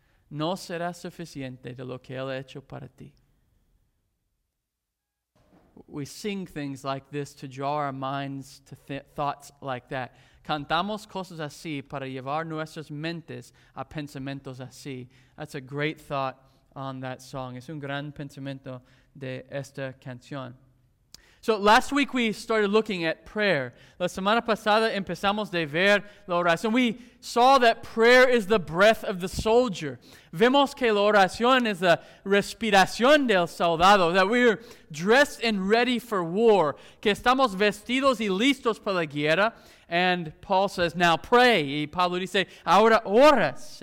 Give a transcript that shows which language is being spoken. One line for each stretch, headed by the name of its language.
Spanish: no será suficiente de lo que él ha hecho para ti.
English: We sing things like this to draw our minds to thoughts like that.
Spanish: Cantamos cosas así para llevar nuestras mentes a pensamientos así.
English: That's a great thought on that song.
Spanish: Es un gran pensamiento de esta canción.
English: So last week we started looking at prayer.
Spanish: La semana pasada empezamos de ver la oración.
English: We saw that prayer is the breath of the soldier.
Spanish: Vemos que la oración es la respiración del soldado,
English: that we are dressed and ready for war,
Spanish: que estamos vestidos y listos para la guerra.
English: And Paul says, now pray.
Spanish: Y Pablo dice, ahora oras.